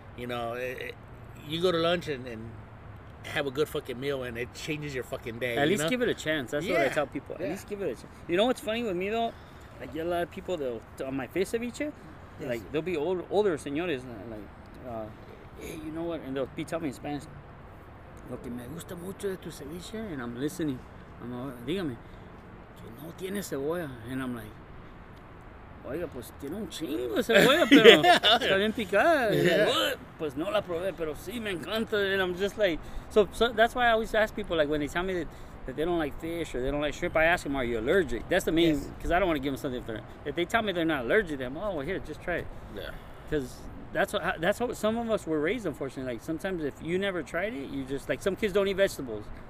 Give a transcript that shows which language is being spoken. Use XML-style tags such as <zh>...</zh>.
<en>You know, you go to lunch and have a good fucking meal and it changes your fucking day. At least give it a chance. That's what I tell people. At least give it a chance. You know what's funny with me though? I get a lot of people that on my face of each other, like they'll be older señores, like, hey, you know what? And they'll be telling me in Spanish,</en> <es>lo que me gusta mucho de tu ceviche,</es> <en>and I'm listening. I'm like,</en> <es>dígame, que no tiene cebolla.</es> <en>And I'm like,</en> <es>oiga, pues tiene un chingo de cebolla, pero está bien picada.</es> <en>Yeah. Like, what?</en> <es>Pues no la probé, pero sí me encanta.</es> <en>And I'm just like, so that's why I always ask people, like when they tell me that they don't like fish or they don't like shrimp, I ask them, are you allergic? That's the main, because I don't want to give them something. If they tell me they're not allergic, then oh, well, here, just try it. Yeah. Because That's what some of us were raised, unfortunately. Like, sometimes if you never tried it, you just, like, some kids don't eat vegetables.</en>